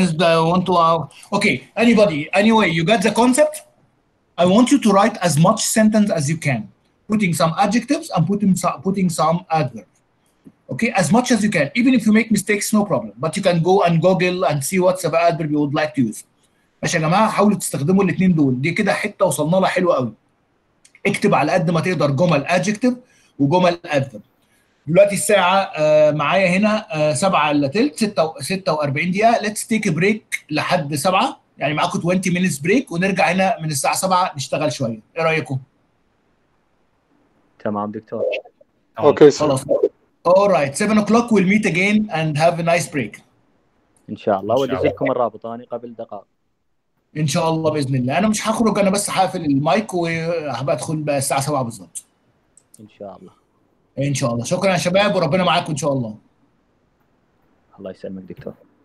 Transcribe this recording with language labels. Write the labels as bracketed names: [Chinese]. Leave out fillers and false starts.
[English] is the one to okay, anybody, anyway, you got the concept? I want you to write as much sentence as you can, putting some adjectives and putting some adverb. Okay, as much as you can, even if you make mistakes, no problem, but you can go and Google and see what's the adverb you would like to use. [Arabic] ماشي يا جماعة حاولوا تستخدموا الاثنين دول دي كده حتة وصلنا لها حلوة قوي. اكتب على قد ما تقدر جمل adjective وجمل الادفر. دلوقتي الساعة معايا هنا 7 الا تلت 46 دقيقة. [English] Let's take a break [Arabic] لحد 7 يعني معاكم [English] 20 minutes break [Arabic] ونرجع هنا من الساعة 7 نشتغل شوية. ايه رأيكم؟ تمام دكتور. [English] okay [Arabic] خلاص. [English] Alright 7 o'clock we'll meet again and have a nice break. [Arabic] ان شاء الله وديكم الرابط انا قبل دقائق. ان شاء الله باذن الله انا مش هخرج انا بس هقفل المايك وهبدخل الساعة 7 بالظبط. إن شاء الله. إن شاء الله. شكرا يا شباب وربنا معاكم إن شاء الله. الله يسلمك دكتور.